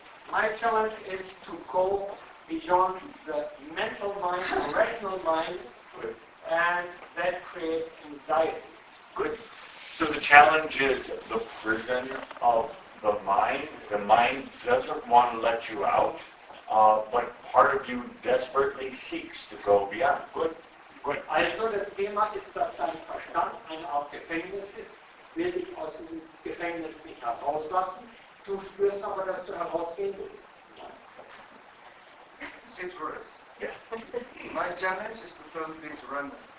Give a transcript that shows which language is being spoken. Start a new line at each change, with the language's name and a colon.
English: My challenge is to go beyond the mental mind, the rational mind, and that creates anxiety. Good. So the challenge is the prison of the mind. The mind doesn't want to let you out. But part of you desperately seeks to go beyond. Good.
German: Also das Thema ist, dass dein Verstand eine Art Gefängnis ist, will dich aus dem Gefängnis nicht herauslassen. Du spürst aber, dass du herausgehen willst.
English: Six words. Yeah. My challenge is to totally surrender.